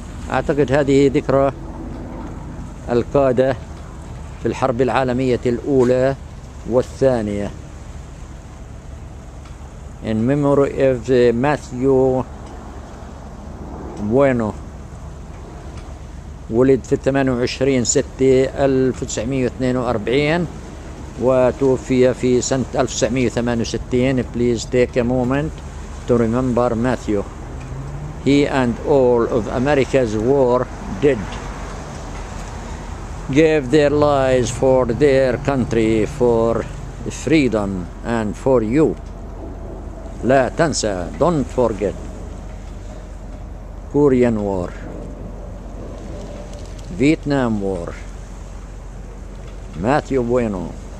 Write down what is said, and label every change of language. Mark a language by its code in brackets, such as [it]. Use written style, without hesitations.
[ar] أعتقد هذه ذكرى القادة في الحرب العالمية الأولى والثانية، [en] in memory of Matthew Bueno، [ar] ولد في 28/6/1942 وتوفي في سنة 1968. [en] Please take a moment to remember Matthew. He and all of America's war dead gave their lives for their country, for freedom and for you. [ar] لا تنسى, [en] don't forget. Korean War, Vietnam War, Matthew Bueno.